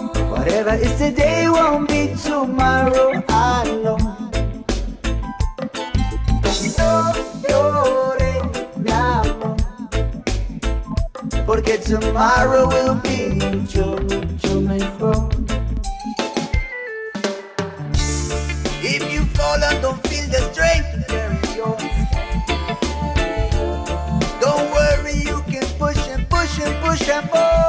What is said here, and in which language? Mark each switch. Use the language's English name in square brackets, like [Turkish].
[English] Whatever is today won't be tomorrow, I know. [Spanish] No llore, mi amor, porque [English] tomorrow will be [Spanish] mucho, mucho mejor. [English] If you fall and don't feel the strength, don't worry, you can push and push and push and pull.